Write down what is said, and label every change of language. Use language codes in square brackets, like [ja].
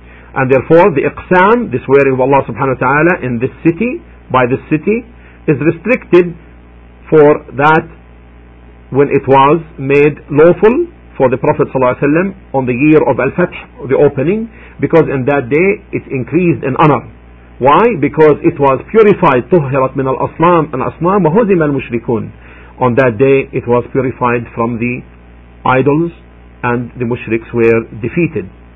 [en] And therefore the iqsam, the swearing of Allah subhanahu wa ta'ala in this city, by this city, is restricted for that when it was made lawful for the Prophet ﷺ on the year of Al-Fath, the opening, because in that day it increased in honor. Why? Because it was purified, [ar] طهرت من الأصنام الأصنام وهزم المشركون. [en] On that day it was purified from the idols and the mushriks were defeated.